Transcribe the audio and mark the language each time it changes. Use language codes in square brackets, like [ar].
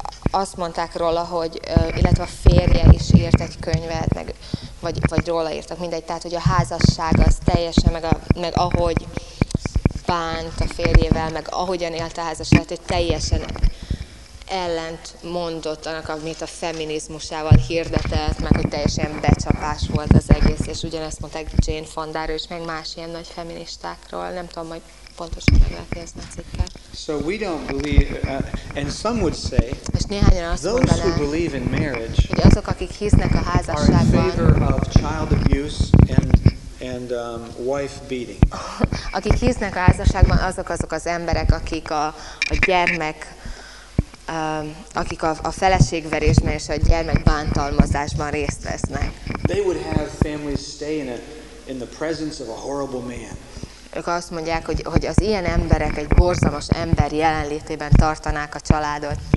[hu] azt mondták róla, hogy illetve a férje is írt egy könyvet, meg vagy róla írtak mindegy, tehát hogy a házasság az teljesen meg ahogy bánt a férjével, meg ahogyan élt a házasságot, hogy teljesen ellent mondott annak, amit a feminizmusával hirdetett, meg hogy teljesen becsapás volt az egész, és ugyanezt mondták Jane Fondáról is, meg más ilyen nagy feministákról, nem tudom, hogy pontosan meg lehet érzni a cikket. [en] So we don't believe, and some would say, those who believe in marriage are in favor of child abuse and wife beating. [hu] Akik hisznek a házasságban, azok az emberek, akik a gyermek, akik a feleségverésben és a gyermek bántalmazásban részt vesznek. [en] They would have families stay in the presence of a horrible man. [hu] Ők azt mondják, hogy az ilyen emberek egy borzalmas ember jelenlétében tartanák a családot.